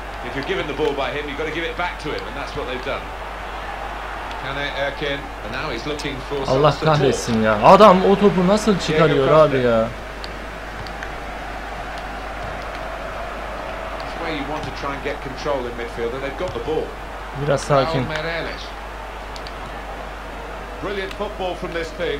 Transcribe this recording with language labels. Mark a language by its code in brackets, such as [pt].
[en] If you're given the ball by him, you've got to give it back to him, and that's what they've done. Can I, Erkin? And now he's looking for some [tr] Allah kahretsin ya. Adam o topu nasıl çıkarıyor abi ya? [en] It's where you want to try and get control in midfield, and they've got the ball. [tr] Biraz sakin. [en] Brilliant football from this team.